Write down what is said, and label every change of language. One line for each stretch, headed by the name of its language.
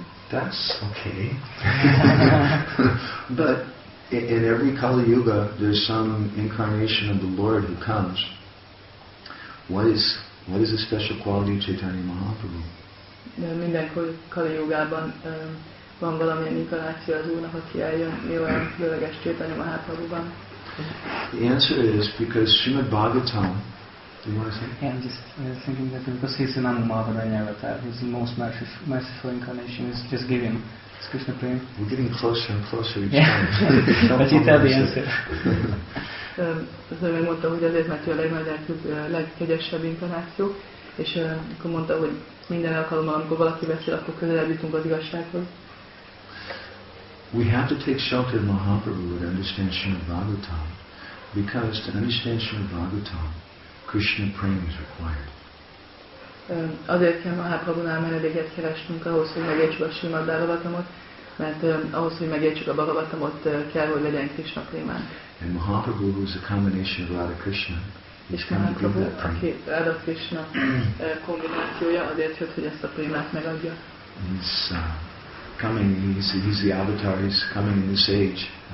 English: That's okay, but in every Kali Yuga, there's some incarnation of the Lord who comes. What is the special quality of Chaitanya Mahaprabhu?
Hungarian: Minden Kali Yugában van valamilyen inkarnáció az Úrnak, aki eljön, mi olyan különleges Chaitanya Mahaprabhuban?
English: The answer is because Srimad Bhagavatam. Yeah, I'm just thinking that because he's an Anumavadanya avatar, he's the most merciful incarnation, he's just giving. It's Krishna Prem. We're getting closer and closer each time. But you tell the answer.
Hungarian: So he mondta, hogy azért, mert ő a legkegyesebb inkarnáció, és akkor mondta, hogy minden alkalommal, amikor valaki beszél, akkor közelebb jutunk az igazsághoz.
English: We have to take shelter in Mahaprabhu to understand Srimad Bhagavatam, because to understand Srimad Bhagavatam, Krishna praying is required.
Hungarian: Azért kell Mahaprabhunál menedéket keresnünk ahhoz, hogy megértsük a Srimad Bhagavatamot, mert ahhoz, hogy megértsük a Bhagavatamot, kell, hogy legyen Krishna prémán.
English: And Mahaprabhu, who is a combination of Radha Krishna, is
Hungarian: És Mahaprabhu, aki Radha Krishna kombinációja, azért jött, hogy ezt a prémát megadja.
English: He's the avatar, he's coming in this age.